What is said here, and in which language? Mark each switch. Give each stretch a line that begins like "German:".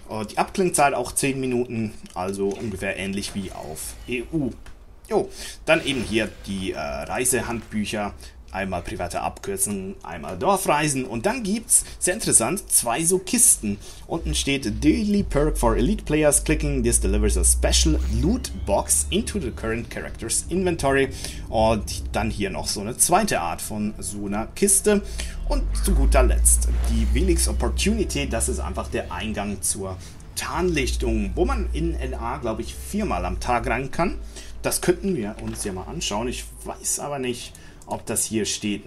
German: Die Abklingzeit auch 10 Minuten, also ungefähr ähnlich wie auf EU. Jo, dann eben hier die Reisehandbücher. Einmal private Abkürzungen, einmal Dorfreisen und dann gibt's, sehr interessant, zwei so Kisten. Unten steht
English: Daily Perk for Elite Players Clicking. This delivers a special loot box into the current character's inventory.
German: Und dann hier noch so eine zweite Art von so einer Kiste. Und zu guter Letzt die Velix Opportunity, das ist einfach der Eingang zur Tarnlichtung, wo man in NA, glaube ich, 4-mal am Tag rein kann. Das könnten wir uns ja mal anschauen, ich weiß aber nicht, ob das hier steht.